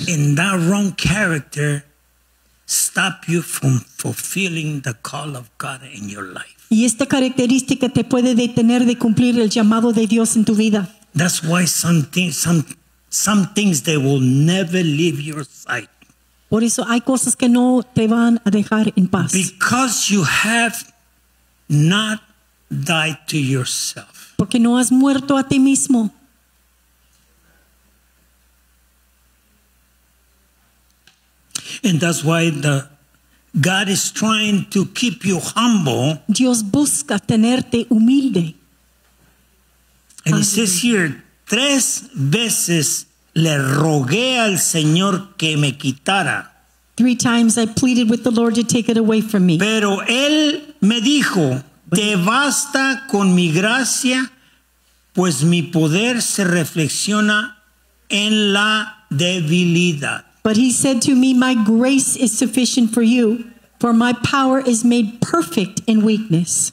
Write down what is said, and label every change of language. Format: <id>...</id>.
<en>And that wrong character stop you from fulfilling the call of God in your life.</en> <es>Y esta característica te puede detener de cumplir el llamado de Dios en tu vida.</es> <en>That's why some things they will never leave your sight.</en> <es>Por eso hay cosas que no te van a dejar en paz.</es> <en>Because you have not died to yourself.</en> <es>Porque no has muerto a ti mismo.</es> <en>And that's why God is trying to keep you humble.</en> <es>Dios busca tenerte humilde.</es> <en>And it says here,</en> <es>tres veces le rogué al Señor que me quitara.</es> <en>Three times I pleaded with the Lord to take it away from me.</en> <es>Pero él me dijo, te basta con mi gracia, pues mi poder se reflexiona en la debilidad.</es> <en>But he said to me, my grace is sufficient for you, for my power is made perfect in weakness.</en>